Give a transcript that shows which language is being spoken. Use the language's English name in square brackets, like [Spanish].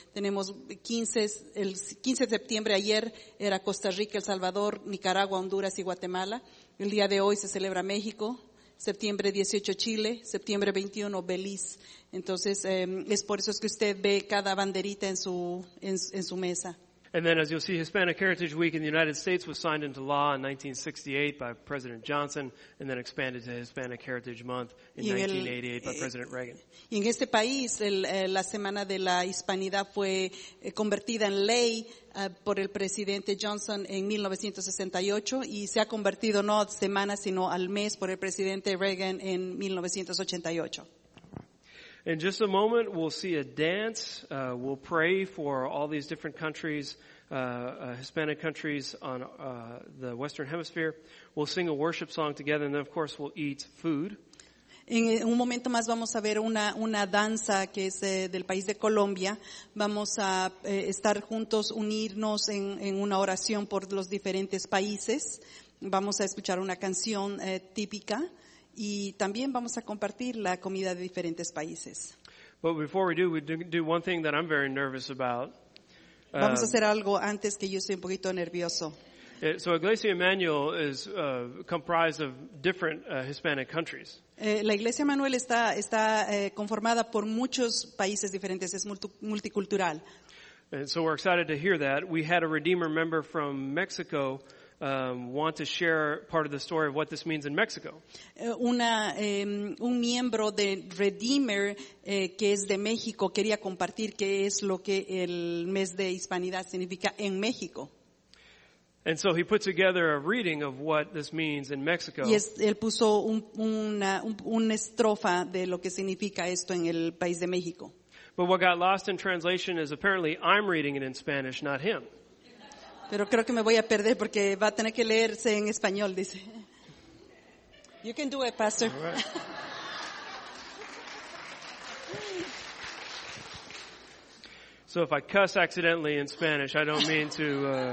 [Spanish] Tenemos el 15 de septiembre, ayer era Costa Rica, El Salvador, Nicaragua, Honduras y Guatemala. El día de hoy se celebra México. Septiembre 18, Chile. Septiembre 21, Belice. Entonces, es por eso es que usted ve cada banderita en su mesa. [English] And then, as you'll see, Hispanic Heritage Week in the United States was signed into law in 1968 by President Johnson, and then expanded to Hispanic Heritage Month in 1988 by President Reagan. [Spanish] Y en este país, la Semana de la Hispanidad fue convertida en ley por el presidente Johnson en 1968, y se ha convertido no a semana, sino al mes por el presidente Reagan en 1988. [English] In just a moment, we'll see a dance. We'll pray for all these different countries, Hispanic countries on the Western Hemisphere. We'll sing a worship song together, and then, of course, we'll eat food. [Spanish] En un momento más vamos a ver una danza que es del país de Colombia. Vamos a estar juntos, unirnos en una oración por los diferentes países. Vamos a escuchar una canción típica. Y también vamos a compartir la comida de diferentes países. [English] But before we do one thing that I'm very nervous about. [Spanish] Vamos a hacer algo antes, que yo estoy un poquito nervioso. [English] So Iglesia Emmanuel is comprised of different Hispanic countries. [Spanish] La Iglesia Emmanuel está conformada por muchos países diferentes, es multicultural. [English] And so we're excited to hear that. We had a Redeemer member from Mexico want to share part of the story of what this means in Mexico. [Spanish] Un miembro de Redeemer que es de México quería compartir qué es lo que el mes de Hispanidad significa en México. [English] And so he put together a reading of what this means in Mexico. [Spanish] Y él puso una estrofa de lo que significa esto en el país de México. [English] But what got lost in translation is apparently I'm reading it in Spanish, not him. [Spanish] Pero creo que me voy a perder porque va a tener que leerse en español, dice. [English] You can do it, Pastor. All right. So if I cuss accidentally in Spanish, I don't mean to.